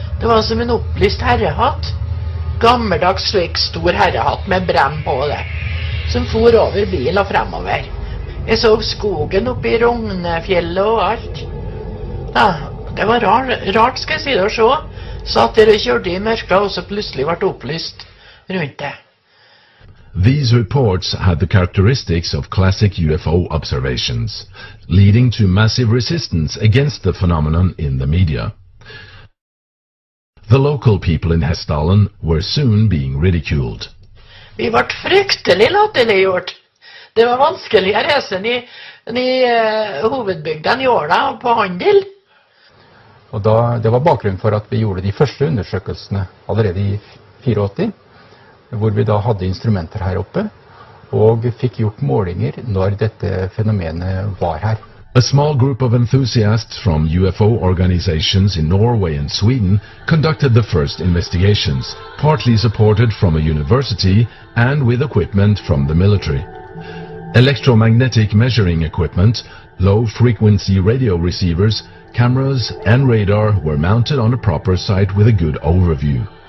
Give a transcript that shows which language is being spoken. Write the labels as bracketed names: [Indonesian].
[Norwegian] Det var som en opplyst herrehatt. Gammeldags slik stor herrehatt med brenn på det. Som for over bil og fremover. Jeg så skogen oppe i Rognefjellet og alt. Ja, det var rart skal jeg si det å se. Så at dere kjørte i mørket og så plutselig ble opplyst rundt det. [English] These reports had the characteristics of classic UFO observations, leading to massive resistance against the phenomenon in the media. The local people in Hestdalen were soon being ridiculed. [Norwegian] Vi ble fryktelig latterliggjort. Det var vanskelig å reise enn i hovedbygden i Åla på handel. Og da, det var bakgrunnen for at vi gjorde de første undersøkelsene allerede i 84. Hvor vi da hadde instrumenter her oppe, og fikk gjort målinger når dette fenomenet var her. [English] A small group of enthusiasts from UFO organizations in Norway and Sweden conducted the first investigations, partly supported from a university and with equipment from the military. Electromagnetic measuring equipment, low-frequency radio receivers, cameras and radar were mounted on a proper site with a good overview.